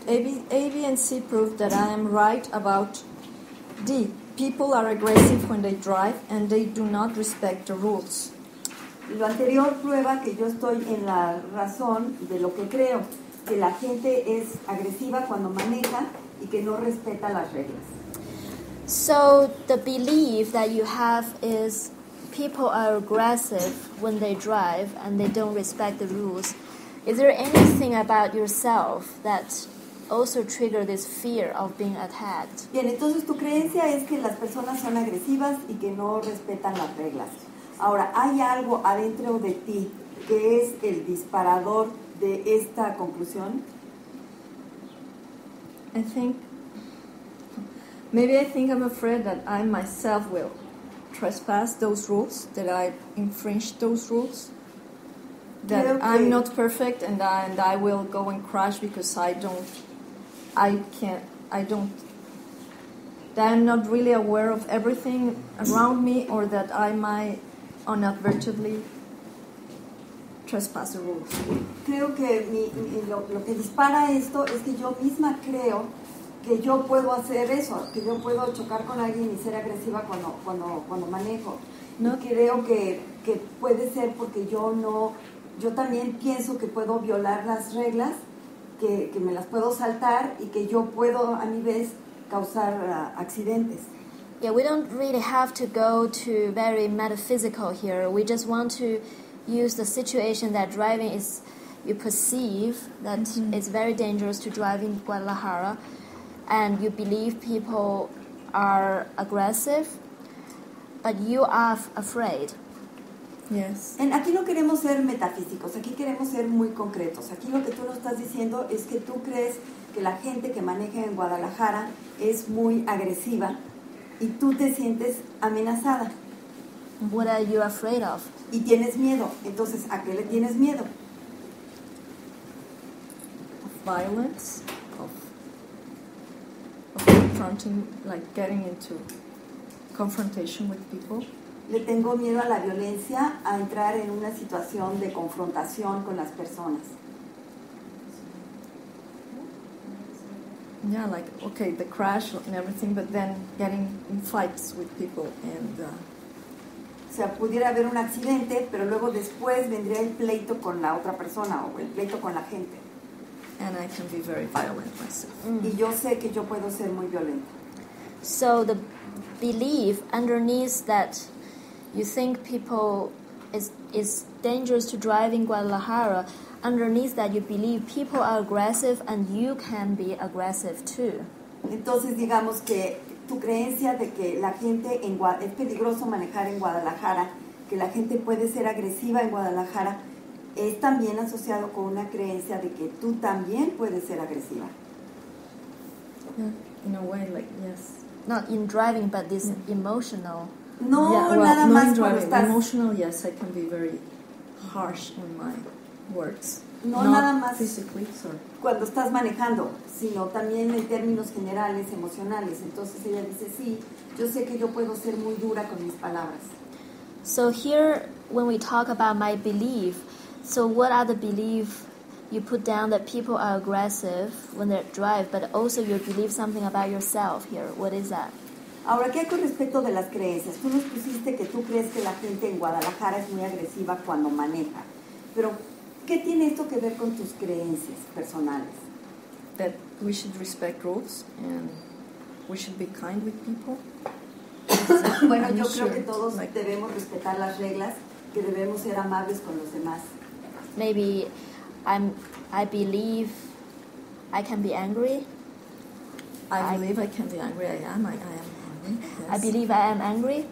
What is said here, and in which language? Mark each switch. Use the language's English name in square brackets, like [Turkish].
[English] A, B, and C prove that I am right about D. People are aggressive when they drive and they do not respect the rules. [Spanish] Lo anterior prueba que yo estoy en la razón de lo que creo, que la gente es agresiva cuando maneja y que no respeta las reglas. [English] So the belief that you have is people are aggressive when they drive and they don't respect the rules. Is there anything about yourself that also trigger this fear of being attacked? [Spanish] Bien, entonces tu creencia es que las personas son agresivas y que no respetan las reglas. Ahora, ¿hay algo adentro de ti que es el disparador de esta conclusión? [English] I think I'm afraid that I myself will trespass those rules, that I infringe those rules. That I'm not perfect and I will go and crash because that I'm not really aware of everything around me or that I might inadvertently trespass the rules. [Spanish] Creo que lo que dispara esto es que yo misma creo que yo puedo hacer eso, que yo puedo chocar con alguien y ser agresiva cuando manejo. No creo que puede ser porque yo también pienso que puedo violar las reglas, que me las puedo saltar y que yo puedo a mi vez causar accidentes. [English] Yeah, we don't really have to go to very metaphysical here. We just want to use the situation that driving is, you perceive that mm-hmm. it's very dangerous to drive in Guadalajara and you believe people are aggressive, but you are afraid. Yes. [Spanish] En aquí no queremos ser metafísicos, aquí queremos ser muy concretos. Aquí lo que tú nos estás diciendo es que tú crees que la gente que maneja en Guadalajara es muy agresiva y tú te sientes amenazada. [English] What are you afraid of? [Spanish] Y tienes miedo. Entonces, ¿a qué le tienes miedo? [English] Of violence, of confronting, like getting into confrontation with people. [Spanish] Le tengo miedo a la violencia, a entrar en una situación de confrontación con las personas. [English] Yeah, like, okay, the crash and everything, but then getting in fights with people and... [Spanish] O sea, pudiera haber un accidente, pero luego después vendría el pleito con la otra persona o el pleito con la gente. [English] And I can be very violent myself. [Spanish] Mm. Y yo sé que yo puedo ser muy violenta. [English] So the belief underneath that... You think people is dangerous to drive in Guadalajara. Underneath that, you believe people are aggressive and you can be aggressive too. [Spanish] Entonces, digamos que tu creencia de que la gente es peligroso manejar en Guadalajara, que la gente puede ser agresiva en Guadalajara, es también asociado con una creencia de que tú también puedes ser agresiva. [English] In a way, like, yes. not in driving, but this emotional. No, yeah, well, [Spanish] nada más cuando estás... [English] Emotional, yes, I can be very harsh on my words. No, not [Spanish] nada más [English] physically, sorry. [Spanish] Cuando estás manejando, sino también en términos generales, emocionales. Entonces ella dice, sí, yo sé que yo puedo ser muy dura con mis palabras. [English] So here, when we talk about my belief, so what are the beliefs you put down that people are aggressive when they drive, but also you believe something about yourself here? What is that? [Spanish] Ahora, ¿qué hay con respecto de las creencias? Tú nos pusiste que tú crees que la gente en Guadalajara es muy agresiva cuando maneja. Pero, ¿qué tiene esto que ver con tus creencias personales? [English] That we should respect rules and we should be kind with people. [Spanish] Bueno, yo creo que todos debemos respetar las reglas, que debemos ser amables con los demás. [English] Maybe I believe I can be angry. I believe I can be angry. I am. Yes. I believe I am angry.